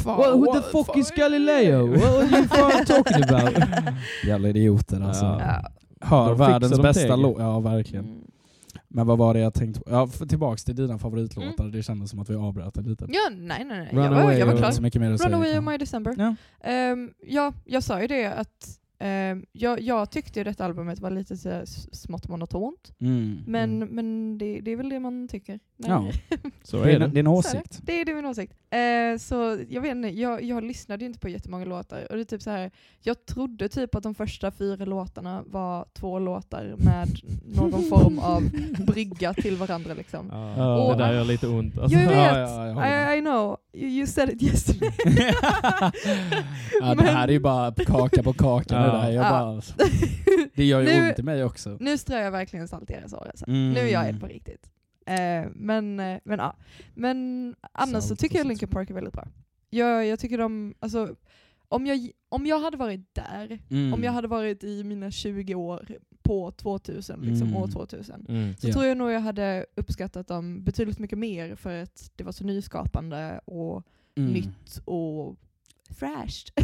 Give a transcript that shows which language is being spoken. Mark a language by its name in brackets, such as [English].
[English] Well, who the fuck is Galileo? What are you talking about? [Swedish] Jävla idioter, alltså. Ja. Hör världens bästa låt. Ja, verkligen. Men vad var det jag tänkte på? Ja, tillbaka till dina favoritlåtar. Mm. Det kändes som att vi avbröt det lite. Ja, nej. Jag var klar. Så mycket mer att Runaway och My December. Ja. Ja, jag sa ju det att jag tyckte ju detta albumet var lite så smått monotont. Mm. Men, mm. men det är väl det man tycker. Nej. Ja, så är det. Det är en åsikt. Det är min åsikt. Så jag vet inte, jag lyssnade ju inte på jättemånga låtar. Och det är typ så här, jag trodde typ att de första fyra låtarna var två låtar med någon form av brygga till varandra liksom. Och, det där gör lite ont. Alltså. Jag vet, [English] I know, you said it yesterday. [Swedish] Ja, men, det här är ju bara kaka på kaka. Bara, det gör ju ont i mig också. Nu strör jag verkligen salt i deras år. Alltså. Mm. Nu är jag helt på riktigt. Men annars så tycker jag Linkin Park är väldigt bra. Jag tycker de, alltså, om jag hade varit där, om jag hade varit i mina 20 år på 2000, liksom år 2000, så tror jag nog jag hade uppskattat dem betydligt mycket mer för att det var så nyskapande och nytt och fresh.